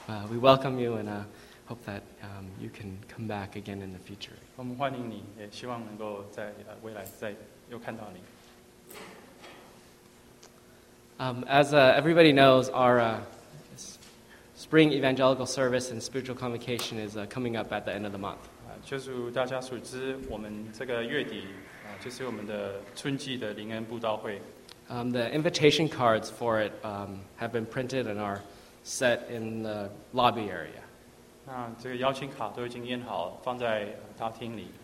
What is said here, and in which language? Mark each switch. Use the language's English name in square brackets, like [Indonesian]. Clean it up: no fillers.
[English] we welcome you and hope that you can come back again in the future. [Chinese] 我们欢迎你, 也希望能够在, 未来再又看到你。 [English] As everybody knows, our Spring Evangelical Service and Spiritual Convocation is coming up at the end of the month. [Chinese] 就如大家所知, 我们这个月底, 就是我们的春季的灵恩布道会。 [English] The invitation cards for it have been printed and are set in the lobby area. [Chinese] 那这个邀请卡都已经印好了, 放在大厅里。